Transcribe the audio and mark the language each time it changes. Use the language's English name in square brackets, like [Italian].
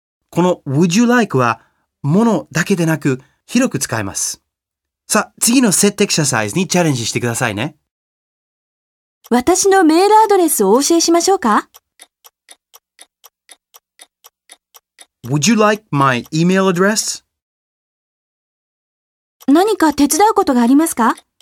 [Japanese] この [English] Would you like [Japanese] は物だけでなく広く使えます。さあ、次のセットエクササイズにチャレンジしてくださいね。私のメールアドレスをお教えしましょうか? [English] Would you like my email address? [Japanese] 何か手伝うことがありますか?